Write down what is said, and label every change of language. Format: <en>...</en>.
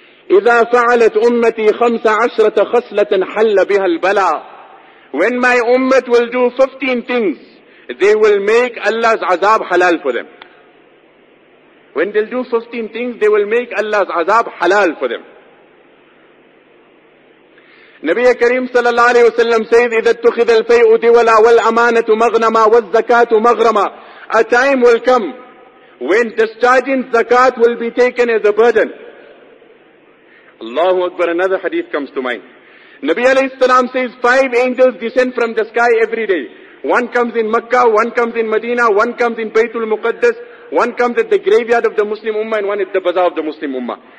<ar>إِذَا فَعَلَتْ أُمَّتِي خَمْسَ عَشْرَةَ خَصْلَةً حَلَّ بِهَا الْبَلَى.</ar> <en>When my ummah will do 15 things, they will make Allah's azab halal for them. When they'll do 15 things, they will make Allah's azab halal for them. Nabi Kareem sallallahu alayhi wa sallam says,</en> <ar>إِذَا اتُّخِذَ الْفَيْءُ دِوَلَى وَالْأَمَانَةُ مَغْنَمَا وَالزَّكَاةُ مَغْرَمَا.</ar> <en>A time will come when discharging zakat will be taken as a burden. Allahu Akbar, another hadith comes to mind. Nabi alayhi salam says, 5 angels descend from the sky every day. One comes in Makkah, one comes in Medina, one comes in Baytul Muqaddas, one comes at the graveyard of the Muslim Ummah, and one at the bazaar of the Muslim Ummah.</en>